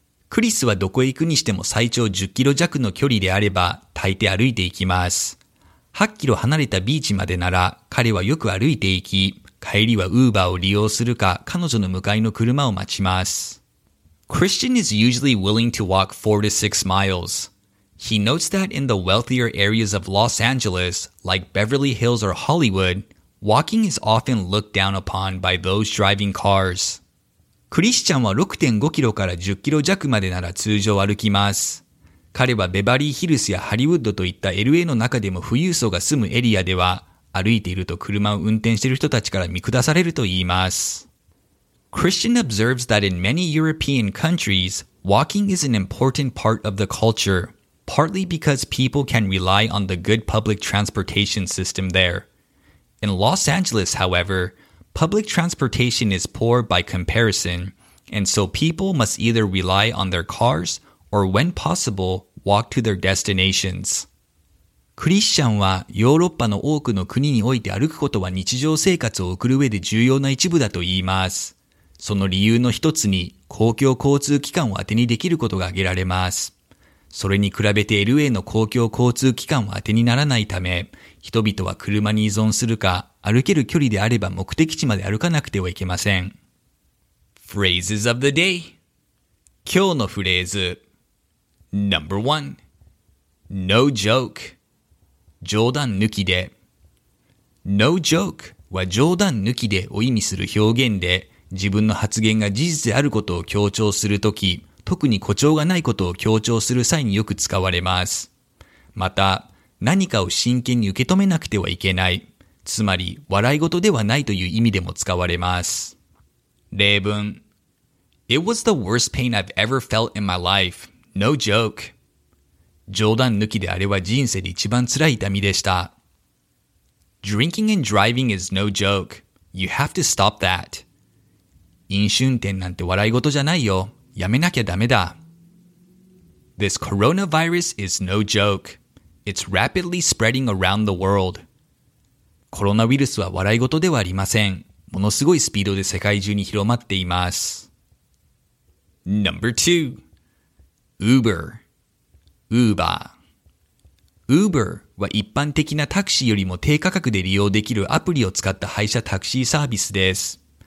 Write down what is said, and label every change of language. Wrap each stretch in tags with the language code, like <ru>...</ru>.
<ja>クリスはどこへ行くにしても最長10キロ弱の距離であれば大抵歩いていきます。 8キロ離れたビーチまでなら彼はよく歩いていき、帰りは Uber を利用するか彼女の向かいの車を待ちます。</ja> <en>Christian is usually willing to walk 4 to 6 miles. He notes that in the wealthier areas of Los Angeles, like Beverly Hills or Hollywood, walking is often looked down upon by those driving cars.</en> <ja>クリスチャンは 6.5 キロから10キロ弱までなら通常歩きます。彼はベバリーヒルスやハリウッドといった LA の中でも富裕層が住むエリアでは、歩いていると車を運転している人たちから見下されると言います。</ja> <en>Christian observes that in many European countries, walking is an important part of the culture, partly because people can rely on the good public transportation system there. In Los Angeles, however, public transportation is poor by comparison, and so people must either rely on their cars or, when possible, walk to their destinations.</en> <ja>クリスチャンはヨーロッパの多くの国において歩くことは日常生活を送る上で重要な一部だと言います。その理由の一つに公共交通機関を当てにできることが挙げられます。それに比べて LA の公共交通機関は当てにならないため、人々は車に依存するか、歩ける距離であれば目的地まで歩かなくてはいけません。</ja> <en>Phrases of the day.</en> <ja>今日のフレーズ。</ja> <en>Number one. No joke.</en> <ja>冗談抜きで。 No joke は冗談抜きでを意味する表現で、自分の発言が事実であることを強調するとき、特に誇張がないことを強調する際によく使われます。また、何かを真剣に受け止めなくてはいけない、つまり笑い事ではないという意味でも使われます。例文。</ja> <en>It was the worst pain I've ever felt in my life. No joke.</en> <ja>冗談抜きであれは人生で一番辛い痛みでした。</ja> <en>Drinking and driving is no joke. You have to stop that.</en> <ja>飲酒運転なんて笑い事じゃないよ。やめなきゃダメだ。</ja> <en>This coronavirus is no joke. It's rapidly spreading around the world.</en> <ja>コロナウイルスは笑い事ではありません。ものすごいスピードで世界中に広まっています。</ja> <en>Number two. Uber. Uber.</en> <ja>Uber は一般的なタクシーよりも低価格で利用できるアプリを使った配車タクシーサービスです。</ja>